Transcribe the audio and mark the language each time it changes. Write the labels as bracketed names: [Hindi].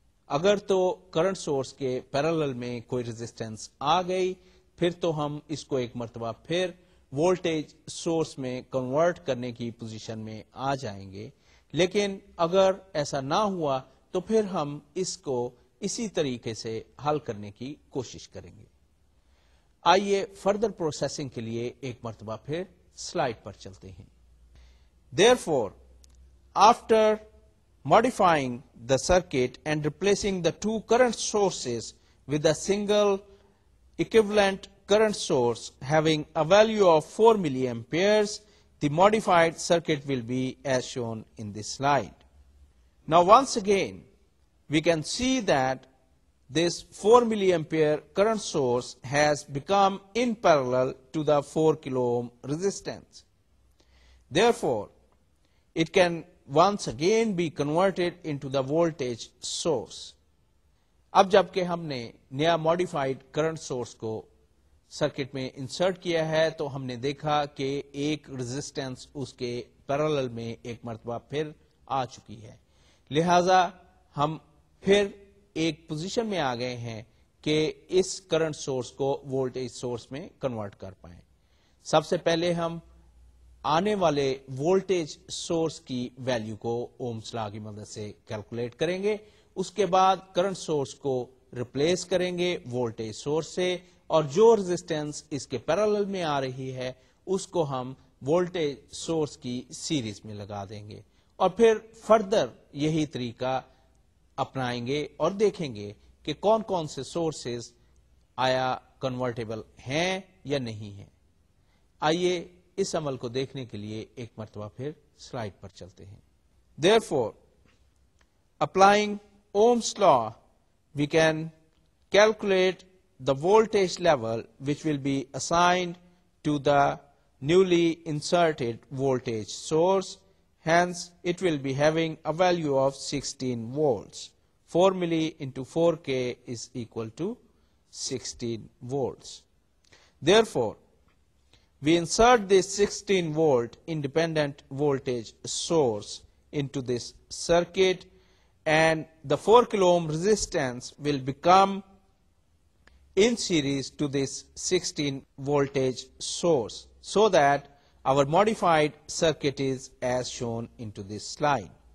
[Urdu] اگر تو current source کے پیرلل میں کوئی ریزسٹنس آ گئی پھر تو ہم اس کو ایک مرتبہ پھر وولٹیج سورس میں کنورٹ کرنے کی پوزیشن میں آ جائیں گے, لیکن اگر ایسا نہ ہوا تو پھر ہم اس کو اسی طریقے سے حل کرنے کی کوشش کریں گے. آئیے فردر پروسیسنگ کے لیے ایک مرتبہ پھر سلائڈ پر چلتے ہیں. [English] Therefore after modifying the circuit and replacing the two current sources with a single equivalent current source having a value of 4 milliamperes the modified circuit will be as shown in this slide. Now once again we can see that this 4 milliampere current source has become in parallel to the 4 kilo ohm resistance. Therefore, it can once again be converted into the voltage source. [Urdu] اب جبکہ ہم نے نیا modified current source کو circuit میں insert کیا ہے تو ہم نے دیکھا کہ ایک resistance اس کے parallel میں ایک مرتبہ پھر آ چکی ہے, لہذا ہم پھر ایک پوزیشن میں آ گئے ہیں کہ اس کرنٹ سورس کو وولٹیج سورس میں کنورٹ کر پائیں. سب سے پہلے ہم آنے والے وولٹیج سورس کی ویلیو کو اوہمز لا کی مدد سے کیلکولیٹ کریں گے, اس کے بعد کرنٹ سورس کو ریپلیس کریں گے وولٹیج سورس سے, اور جو ریزسٹنس اس کے پیرلل میں آ رہی ہے اس کو ہم وولٹیج سورس کی سیریز میں لگا دیں گے, اور پھر فردر یہی طریقہ اپنائیں گے اور دیکھیں گے کہ کون کون سے سورسز آیا کنورٹیبل ہیں یا نہیں ہیں. آئیے اس عمل کو دیکھنے کے لیے ایک مرتبہ پھر سلائڈ پر چلتے ہیں. [English] Therefore applying Ohm's law we can calculate the voltage level which will be assigned to the newly inserted voltage source. Hence, it will be having a value of 16 volts. 4 milli into 4K is equal to 16 volts. Therefore, we insert this 16 volt independent voltage source into this circuit, and the 4 kilo ohm resistance will become in series to this 16 voltage source, so that our modified circuit is as shown into this slide.